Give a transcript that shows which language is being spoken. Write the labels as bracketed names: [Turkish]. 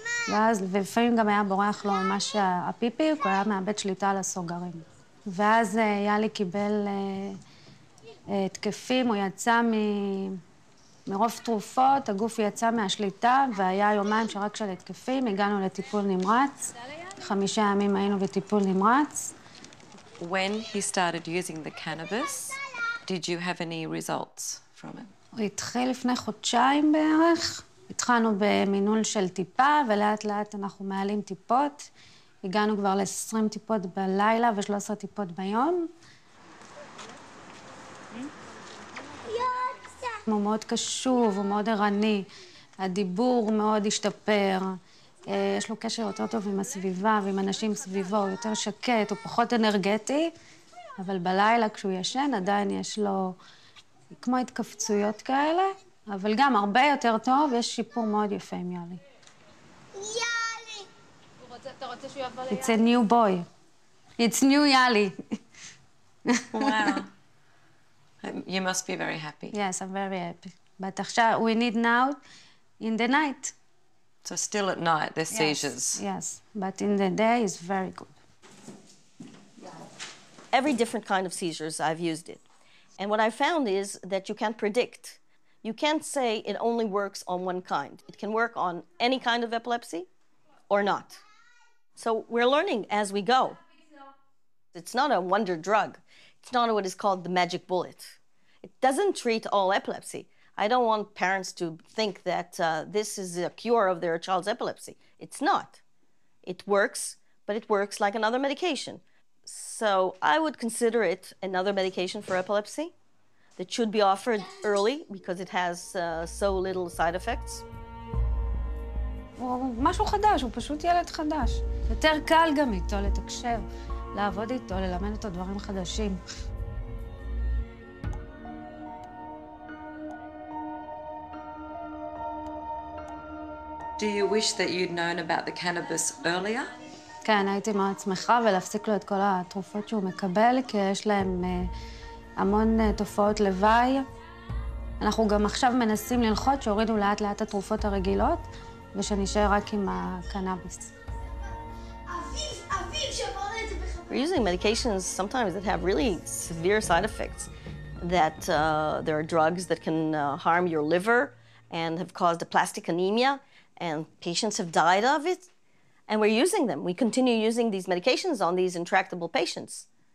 [Hebrew] ואז, ולפעמים גם היה בורח לו ממש הפיפי, הוא היה מאבד שליטה על הסוגרים. ואז יאלי קיבל התקפים, הוא יצא מרוב תרופות, הגוף יצא מהשליטה, והיה יומיים שרק של התקפים, הגענו לטיפול נמרץ. חמישה ימים היינו בטיפול נמרץ. [English] When he started using the cannabis, did you have any results from it? [Hebrew] הוא התחיל לפני חודשיים בערך. התחלנו במינון של טיפה, ולאט לאט אנחנו מעלים טיפות. הגענו כבר ל-20 טיפות בלילה ו-13 טיפות ביום. הוא מאוד קשוב, הוא מאוד ערני. הדיבור מאוד השתפר. יש לו קשר יותר טוב עם הסביבה ועם אנשים סביבו, הוא יותר שקט, הוא פחות אנרגטי, אבל בלילה כשהוא ישן עדיין יש לו כמו התקפצויות כאלה, אבל גם הרבה יותר טוב, יש שיפור מאוד יפה עם יאלי. יאלי! [English] It's a new boy. It's new יאלי. You must be very happy. Yes, I'm very happy. But עכשיו, we need now in the night. So still at night, there's seizures. Yes, but in the day, it's very good. Every different kind of seizures, I've used it. And what I found is that you can't predict. You can't say it only works on one kind. It can work on any kind of epilepsy or not. So we're learning as we go. It's not a wonder drug. It's not what is called the magic bullet. It doesn't treat all epilepsy. I don't want parents to think that this is a cure of their child's epilepsy. It's not. It works, but it works like another medication. So I would consider it another medication for epilepsy that should be offered early because it has so little side effects. [Hebrew] משהו חדש, הוא פשוט ילד חדש. יותר קל גם איתו לתקשר, לעבוד איתו, ללמד אותו דברים חדשים. [English] Do you wish that you'd known about the cannabis earlier? [Hebrew] כן, הייתי מאוד שמחה ולהפסיק לו את כל התרופות שהוא מקבל, כי יש להם המון תופעות לוואי. אנחנו גם עכשיו מנסים ללחוץ שהורידו לאט לאט התרופות הרגילות, ושנשאר רק עם הקנאביס. [English] We're using medications sometimes that have really severe side effects, that there are drugs that can harm your liver and have caused a plastic anemia. And patients have died of it, and we're using them. We continue using these medications on these intractable patients.